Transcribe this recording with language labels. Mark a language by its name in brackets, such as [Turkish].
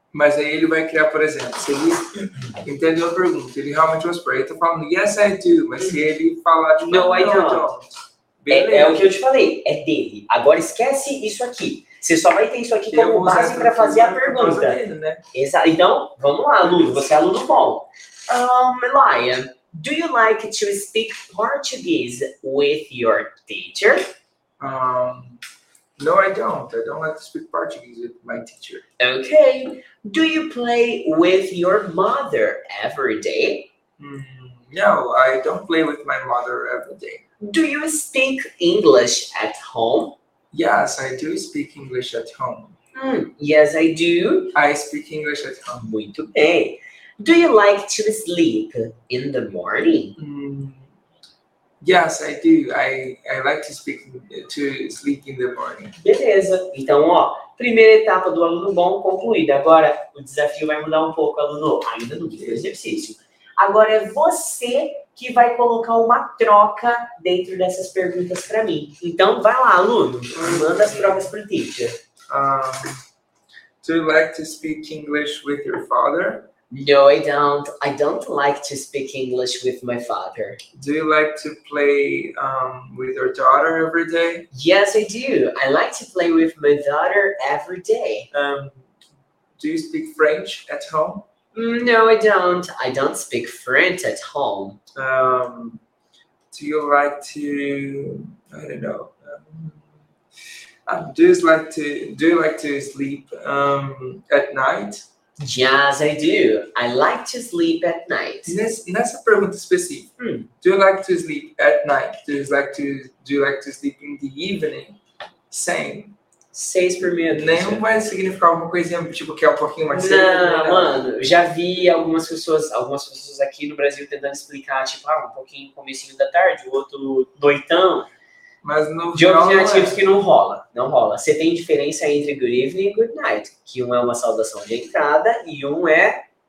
[Portuguese] Mas aí ele vai criar, por exemplo, se ele entendeu a pergunta, ele realmente responde. Ele tá falando, [English] yes, I do. [Portuguese] Mas se ele falar de novo, não, [English] I don't. [Portuguese] É o que eu te falei, é dele. Agora esquece isso aqui. Você só vai ter isso aqui como base para fazer a pergunta. Então, vamos lá, aluno. Você é aluno bom. [English] Elaia, do you like to speak Portuguese with your teacher? No, I don't. I don't like to speak Portuguese with my teacher. Okay. Do you play with your mother every day? No, I don't play with my mother every day. Do you speak English at home? Yes, I do speak English at home. Yes, I do. I speak English at home. [Portuguese] Muito bem. [English] Do you like to sleep in the morning? Yes, I do. I like to sleep in the morning. [Portuguese] Beleza. Então, ó, primeira etapa do aluno bom concluída. Agora, o desafio vai mudar um pouco, aluno. Ainda não fiz o exercício. Agora é você que vai colocar uma troca dentro dessas perguntas para mim. Então, vai lá, aluno. Manda as trocas pro teacher. [English] Do you like to speak English with your father? No, I don't. I don't like to speak English with my father. Do you like to play with your daughter every day? Yes, I do. I like to play with my daughter every day. Do you speak French at home? No, I don't. I don't speak French at home. Do you like to... I don't know. Do you like to sleep at night? Yes, I do. I like to sleep at night. [Portuguese] Nessa pergunta específica, [English] do you like to sleep at night? Do you like to sleep in the evening? Same. [Portuguese] Seis por meio. Não vai significar alguma coisa, tipo, que é um pouquinho mais cedo. Não, né? Mano, já vi algumas pessoas aqui no Brasil tentando explicar, tipo, ah, um pouquinho comecinho da tarde, o outro noitão. Mas no de objetivos que não rola, não rola. Você tem diferença entre [English] good evening [Portuguese] e [English] good night, [Portuguese] que um é uma saudação de entrada e um é